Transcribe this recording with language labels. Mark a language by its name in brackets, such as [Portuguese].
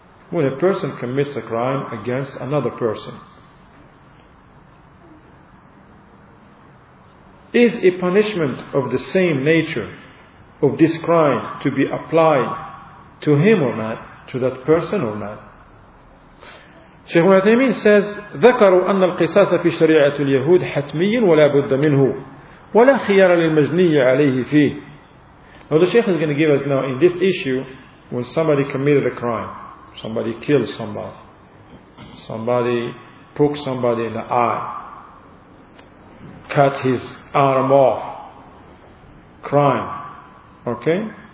[English] When a person commits a crime against another person, is a punishment of the same nature of this crime to be applied to him or not, to that person or not? Shaykh Ibn Uthaymeen says, [Arabic] ذكروا أن القصاص في شريعة اليهود حتمي ولا بد منه ولا خيار للمجني عليه فيه. [English] Now the Shaykh is going to give us now in this issue, when somebody committed a crime, somebody killed somebody poked somebody in the eye, cut his arm off, crime, okay?